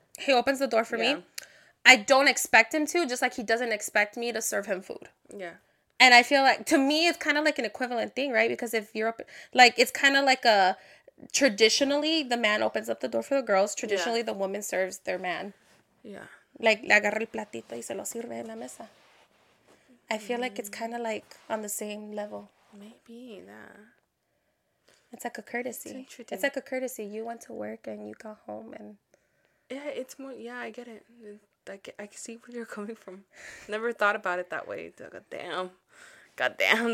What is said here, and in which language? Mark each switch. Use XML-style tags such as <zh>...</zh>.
<en>He opens the door for me. I don't expect him to, just like he doesn't expect me to serve him food. Yeah. And I feel like, to me, it's kind of like an equivalent thing, right? Because if you're, like, it's kind of like a, traditionally, the man opens up the door for the girls. Traditionally, the woman serves their man. Yeah.</en> <es>Like, le agarra el platito y se lo sirve en la mesa.</es> <en>I feel like it's kind of like on the same level. Maybe, nah. It's like a courtesy. It's like a courtesy. You went to work and you got home and... Yeah, it's more... Yeah, I get it. Like, I see where you're coming from. Never thought about it that way. God damn.</en>